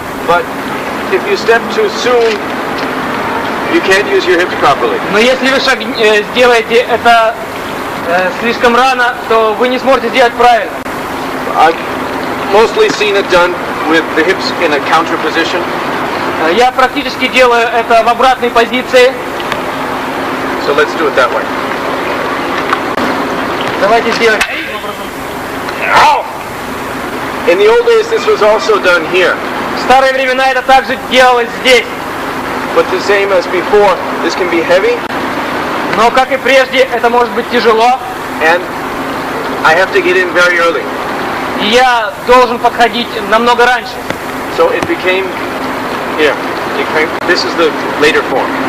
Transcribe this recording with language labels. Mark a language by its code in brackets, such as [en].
[en] But if you step too soon, you can't use your hips properly. [ru] Но если вы шаг сделаете это слишком рано, то вы не сможете сделать правильно. [en] Mostly seen it done with the hips in a counter position. [ru] Я практически делаю это в обратной позиции. [en] So let's do it that way. [ru] Давайте сделаем. [en] In the old days this was also done here. [ru] В старые времена это также делалось здесь. [en] But the same as before, this can be heavy. [ru] Но как и прежде, это может быть тяжело. [en] And I have to get in very early. [ru] И я должен подходить намного раньше. [en] So it became here. It came, this is the later form.